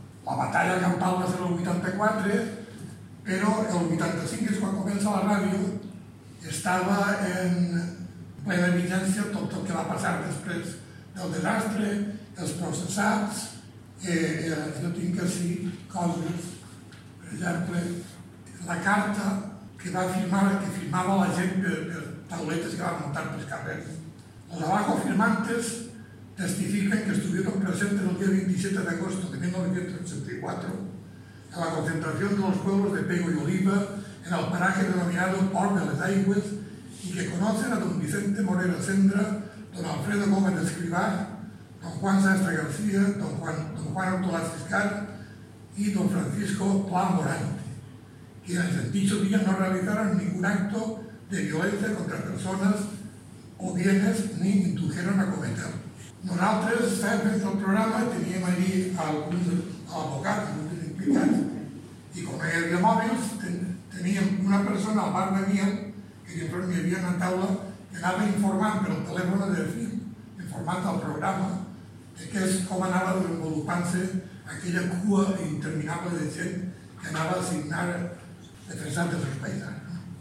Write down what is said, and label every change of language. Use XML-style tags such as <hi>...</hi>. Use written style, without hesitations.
<ca>La batalla campal va ser el 84, però el 85 és quan comença la ràdio, estava en plena vigència tot el que va passar després del desastre, els processats, jo tinc que dir coses, per exemple, la carta que va firmar, que firmava la gent per tauletes que va muntar pels carrers.</ca> <es>Els abajo firmantes testifiquen que estuvieron presentes el día 27 de agosto de 1984 en la concentración de los pueblos de Pego y Oliva en el paraje denominado Port de les Aigües y que conocen a don Vicente Morera Sendra, don Alfredo Gómez de Escrivá, don Juan Sastre García, don Juan Ortolás Fiscal y don Francisco Pla Morante, quienes en dicho día no realizaron ningún acto de violencia contra personas o bienes ni indujeron a cometerlo.</es> <ca>Nosaltres estàvem fent el programa, teníem allí alguns advocats, no tenen implicats, i com hi havia mòbils, teníem una persona al bar de Miel, que jo crec que hi havia una taula, que anava informant per el telèfon del fil, informant el programa, de què és com anava desenvolupant-se aquella cua interminable de gent que anava a signar defensant els paisans.</ca>